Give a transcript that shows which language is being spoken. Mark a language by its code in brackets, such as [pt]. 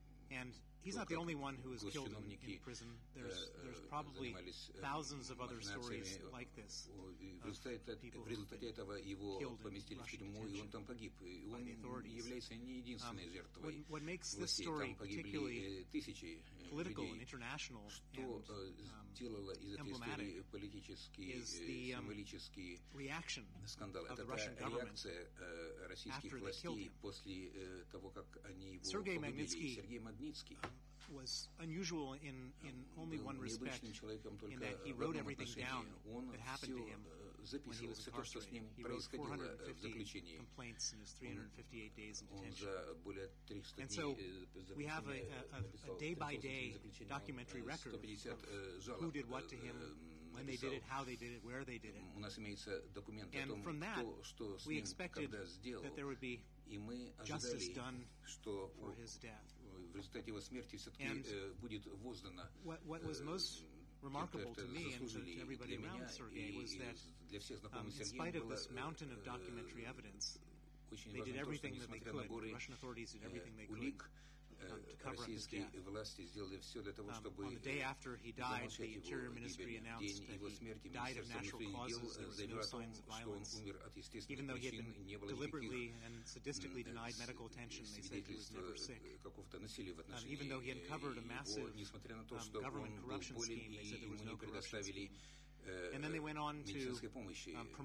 [en] And he's not the only one who was killed in prison. There's probably thousands of other stories like this. [ru] В результате этого его поместили в тюрьму, и он там погиб. И он является не единственной жертвой. [en] What makes this story particularly political and international and emblematic is the reaction of the Russian government after they killed him. [ru] После того, как они его Сергей погубили, [en] Сергей Магнитский was unusual in only one respect, in that he wrote everything down that happened to him when he was incarcerated. He wrote 450 complaints in his 358 days in detention. And so we have a day-by-day documentary record of who did what to him, when they did it, how they did it, where they did it. And from that, we expected that there would be justice done for his death. [ru] В результате его смерти все-таки будет воздано. [en] What was most remarkable to me and to everybody around Sergei was that, in spite of this mountain of documentary evidence, they did everything that they could. The Russian authorities did everything they could. [ru] Российские власти сделали все для того, чтобы замолчать его гибель. День его смерти Министерство внутренних дел заявило о том, что он умер от естественных причин, не было никаких свидетельств какого-то насилия в отношении его, несмотря на то, что он был болен и ему не предоставили медицинской помощи.